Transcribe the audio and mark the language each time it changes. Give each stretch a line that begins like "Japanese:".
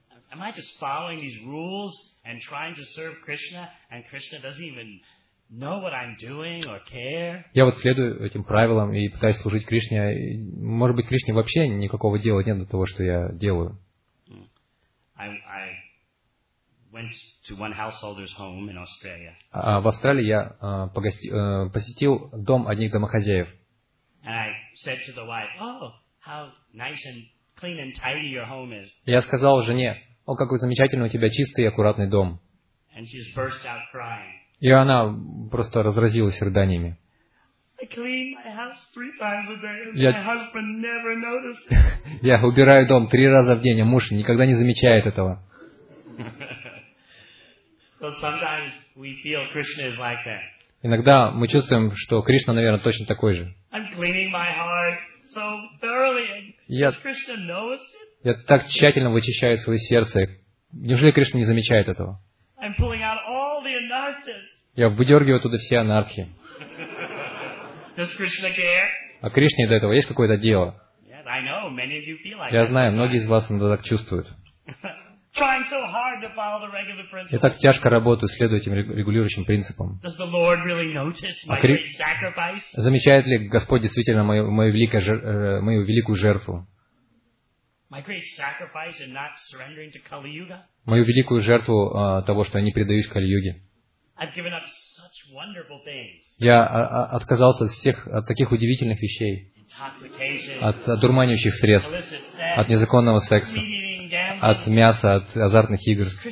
English: Am I just following these rules and trying to serve Krishna, and Krishna doesn't even know what I'm doing or care?
Russian: Я вот следую этим правилам и пытаюсь служить Кришне. Может быть, Кришне вообще никакого дела нет до того, что я делаю.
English: I went to one householder's home in Australia.
Russian: В Австралии я посетил дом одних домохозяев.
English: And I said to the wife, "Oh, how nice and clean and tidy your home is."
Russian: Я сказал жене: "О, какой замечательный у тебя чистый и аккуратный дом."
English: And she just burst out crying.
Russian: И она просто разразилась рыданиями.
English: I clean my house 3 times a day, and my husband never notices.
Russian: Я убираю дом 3 раза в день, а муж никогда не замечает этого.
English: So sometimes we feel Krishna is like that.
Russian: Иногда мы чувствуем, что Кришна, наверное, точно такой же.
English: I'm cleaning my heart so thoroughly. Does Krishna notice it?
Russian: Я так тщательно вычищаю свое сердце. Неужели Кришна не замечает этого?
English: I'm pulling out all the anarthas.
Russian: Я выдергиваю оттуда все анархи.
English: Does Krishna care?
Russian: А Кришне до этого есть какое-то дело?
English: Yes, I know. Many of you feel like
Russian: Я знаю, многие из вас иногда так чувствуют.
English: Trying so hard to follow the regular principles.
Russian: Я так тяжко работаю, следую этим регулирующим принципам.
English: Does the Lord really notice my great sacrifice?
Russian: Замечает ли Господь действительно мою великую жертву?
English: My great sacrifice in not surrendering to Kali Yuga?
Russian: Мою великую жертву того, что я не предаюсь Кали-Юге.
English: I've given up such wonderful things.
Russian: Я отказался от всех от таких удивительных вещей.
English: Intoxication,
Russian: от одурманивающих средств, от незаконного секса. От мяса, от азартных игр.